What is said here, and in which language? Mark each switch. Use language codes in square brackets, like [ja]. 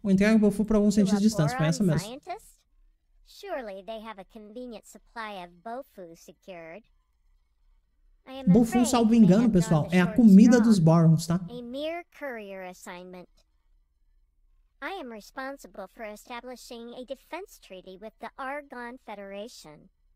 [pt] O entrega foi para alguns centímetros de distância, foi essa mesmo. [en] Surely they have a convenient supply of bofu secured. [pt] Bofu, salvo engano, pessoal, é a comida dos Borons, tá? [en] A mere courier assignment. I am responsible for establishing a defense treaty with the Argon Federation.